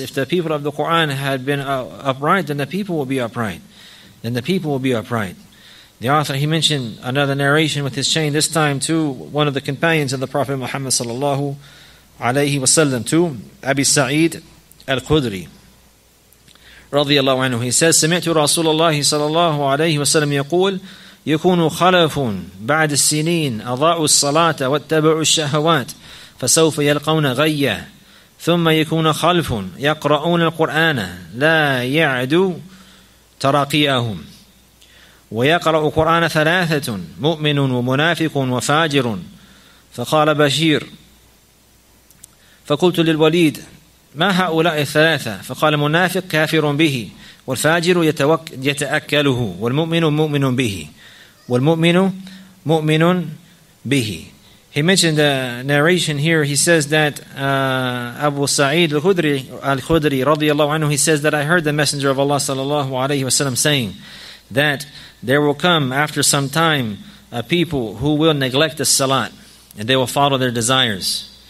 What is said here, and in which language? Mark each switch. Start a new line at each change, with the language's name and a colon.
English: If the people of the Quran had been upright, then the people will be upright. Then the people will be upright. The author, he mentioned another narration with his chain, this time to one of the companions of the Prophet Muhammad sallallahu alayhi wa sallam, to Abi Sa'id al-Khudri radiyallahu anhu. He says,
Arabic: سمعت رسول الله صلى الله عليه وسلم يقول يكون خلف بعد السنين أضاعوا الصلاة واتبعوا الشهوات فسوف يلقون غيا ثم يكون خلف يقرؤون القرآن لا يعدو تراقيهم ويقرأ القرآن ثلاثة مؤمن ومنافق وفاجر فقال بشير فقلت للوليد ما هؤلاء الثلاثة فقال منافق كافر به والفاجر يتأكله والمؤمن مؤمن به والمؤمن مؤمن به.
English: He mentioned the narration here. He says that Abu Sa'id al-Khudri radiyallahu anhu, he says that I heard the Messenger of Allah sallallahu alayhi wasallam saying that there will come after some time a people who will neglect the salat and they will follow their desires.